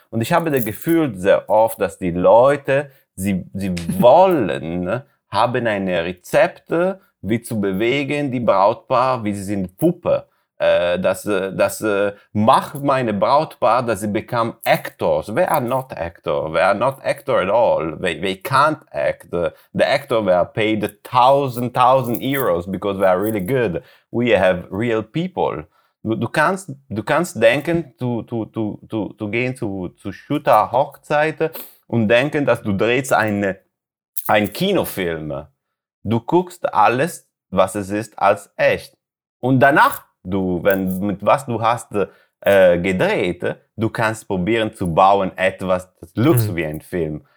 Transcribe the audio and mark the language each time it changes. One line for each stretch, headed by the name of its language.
German: Und ich habe das Gefühl sehr oft, dass die Leute, sie wollen, haben eine Rezepte, wie zu bewegen die Brautpaar, wie sie sind Puppe. Das macht meine Brautpaar, dass sie
English: become Actors. They are not Actors. They are not Actors at all. They can't act. The Actors were paid 1,000 Euros because they are really good. We have real people.
German: Du kannst denken, zu gehen zu Shooter Hochzeit und denken, dass du drehst ein Kinofilm. Du guckst alles, was es ist, als echt. Und danach gedreht, du kannst probieren zu bauen etwas, das
English: looks
German: wie ein Film.